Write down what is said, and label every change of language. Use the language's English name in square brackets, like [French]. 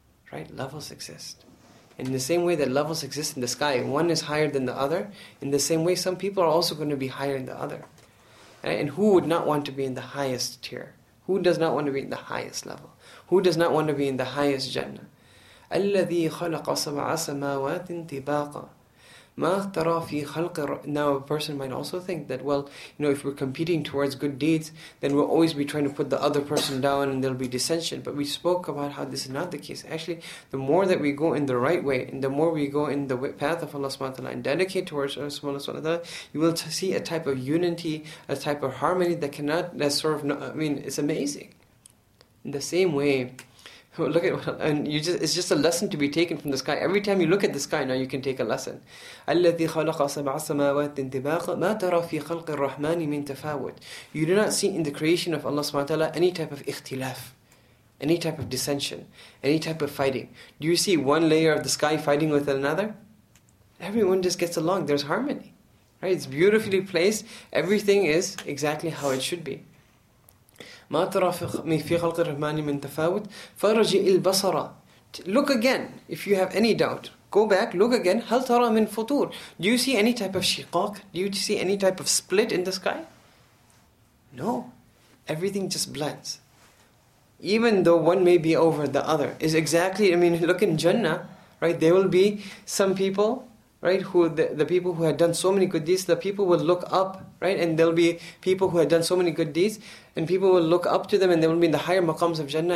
[English] Right, levels exist. In the same way that levels exist in the sky, one is higher than the other, in the same way some people are also going to be higher than the other. Right? And who would not want to be in the highest tier? Who does not want to be in the highest level? Who does not want to be in the highest Jannah? [Arabic] الذي خلق سبع سماوات طباقا. ما ترى في خلق. [English] Now a person might also think that, well, you know, if we're competing towards good deeds, then we'll always be trying to put the other person down and there'll be dissension. But we spoke about how this is not the case. Actually, the more that we go in the right way, and the more we go in the path of Allah subhanahu wa ta'ala and dedicate towards Allah subhanahu wa ta'ala, you will see a type of unity, a type of harmony that cannot, that sort of, I mean, it's amazing. In the same way, look at, and you just, it's just a lesson to be taken from the sky. Every time you look at the sky, now you can take a lesson. [Arabic] الَّذِي خَلَقَ سَبْعَ سَمَاوَاتٍ طِبَاقًا مَا تَرَى فِي خَلْقِ الرَّحْمَنِ مِنْ تَفَاوُتٍ. [English] You do not see in the creation of Allah subhanahu wa ta'ala any type of ikhtilaf, any type of dissension, any type of fighting. Do you see one layer of the sky fighting with another? Everyone just gets along. There's harmony. Right? It's beautifully placed. Everything is exactly how it should be. [Arabic] ما ترى في خلق الرحمن من تفاوت فرج البصر. [English] Look again. If you have any doubt, go back, look again. [Arabic] هل ترى من فطور. [English] Do you see any type of شقاق? Do you see any type of split in the sky? No. Everything just blends. Even though one may be over the other. Is exactly, I mean, look in Jannah, right? There will be some people, right, who the people who had done so many good deeds, the people will look up, right, and there'll be people who had done so many good deeds, and people will look up to them, and they will be in the higher maqams of Jannah.